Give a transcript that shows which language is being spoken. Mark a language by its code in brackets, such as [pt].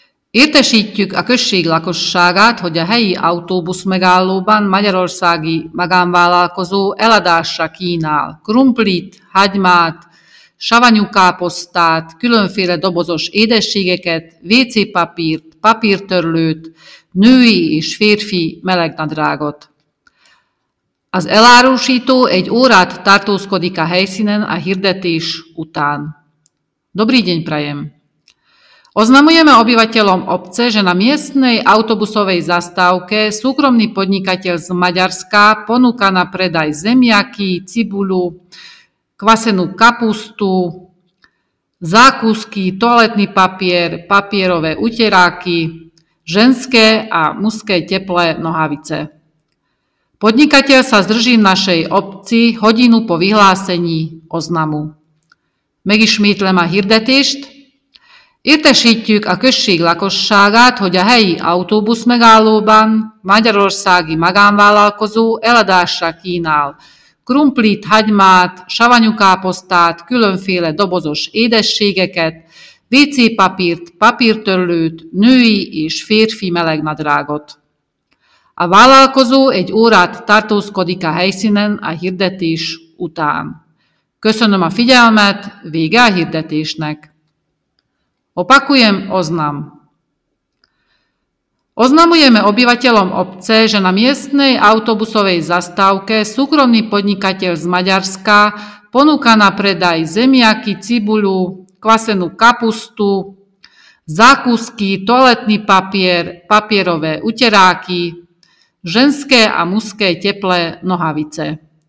[hu] Értesítjük a község lakosságát, hogy a helyi autóbusz megállóban magyarországi magánvállalkozó eladásra kínál krumplit, hagymát, savanyú káposztát, különféle dobozos édességeket, WC-papírt, papírtörlőt, női és férfi melegnadrágot. Az elárusító egy órát tartózkodik a helyszínen a hirdetés után. [sk] Dobrý deň, prajem. Oznamujeme obyvateľom obce, že na miestnej autobusovej zastávke súkromný podnikateľ z Maďarska ponúka na predaj zemiaky, cibuľu, kvasenú kapustu, zákusky, toaletný papier, papierové uteráky, ženské a mužské teplé nohavice. Podnikateľ sa zdrží v našej obci hodinu po vyhlásení oznamu. [hu] Megismétlem a hirdetést. Értesítjük a község lakosságát, hogy a helyi autóbusz megállóban magyarországi magánvállalkozó eladásra kínál krumplit, hagymát, savanyú káposztát, különféle dobozos édességeket, WC-papírt, papírtörlőt, női és férfi melegnadrágot. A vállalkozó egy órát tartózkodik a helyszínen a hirdetés után. Köszönöm a figyelmet, vége a hirdetésnek. [sk] Opakujem oznam. Oznamujeme obyvateľom obce, že na miestnej autobusovej zastávke súkromný podnikateľ z Maďarska ponúka na predaj zemiaky, cibuľu, kvasenú kapustu, zákusky, toaletný papier, papierové uteráky, ženské a mužské teplé nohavice.